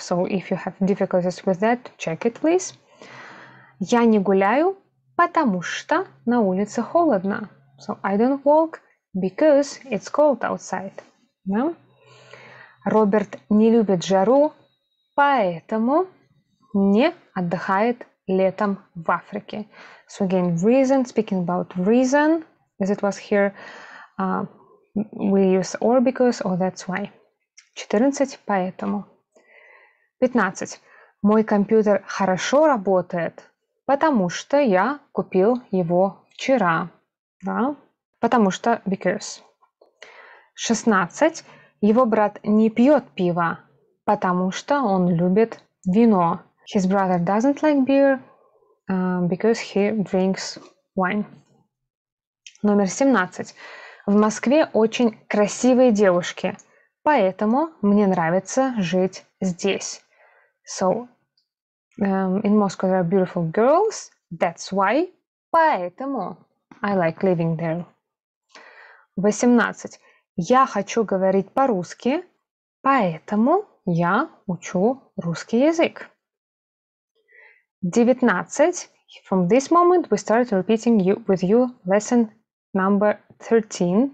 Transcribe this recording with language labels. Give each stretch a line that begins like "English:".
English: So if you have difficulties with that, check it, please.
Russian: Я не гуляю, потому что на улице холодно.
English: So I don't walk because it's cold outside. No?
Russian: Роберт не любит жару, поэтому не отдыхает летом в Африке.
English: So again, reason, speaking about reason, as it was here, we use or because or that's why.
Russian: 14, поэтому. 15. Мой компьютер хорошо работает, потому что я купил его вчера. Да? Потому что because. 16. Его брат не пьет пиво, потому что он любит вино.
English: His brother doesn't like beer because he drinks wine.
Russian: Номер 17. В Москве очень красивые девушки, поэтому мне нравится жить здесь.
English: So, in Moscow there are beautiful girls, that's why, поэтому I like living there. 18.
Russian: Я хочу говорить по-русски, поэтому я учу русский язык. 19.
English: From this moment we start repeating you, with you lesson number 13.